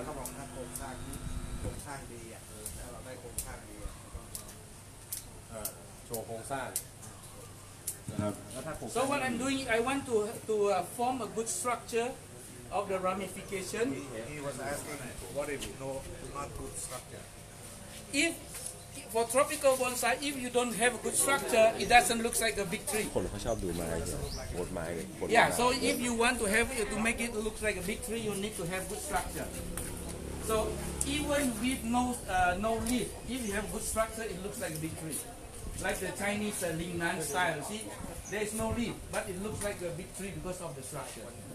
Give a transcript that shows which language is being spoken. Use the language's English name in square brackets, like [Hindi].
[Thai] เขาบอกว่าโครงสร้างดีอ่ะถ้าเราได้โครงสร้างดี โชว์โครงสร้าง ครับ [English] so what I'm doing I want to form a good structure of the ramification he was asking what if no not good structure ifFor tropical bonsai, if you don't have a good structure, it doesn't look like a big tree. [Thai] คนเขาชอบดูไม้เนี่ยโหดไม้เลย [English] Yeah, so if you want to have to make it look like a big tree, you need to have good structure. So even with no leaf, if you have good structure, it looks like a big tree. Like the Chinese Lingnan style, see, there is no leaf, but it looks like a big tree because of the structure.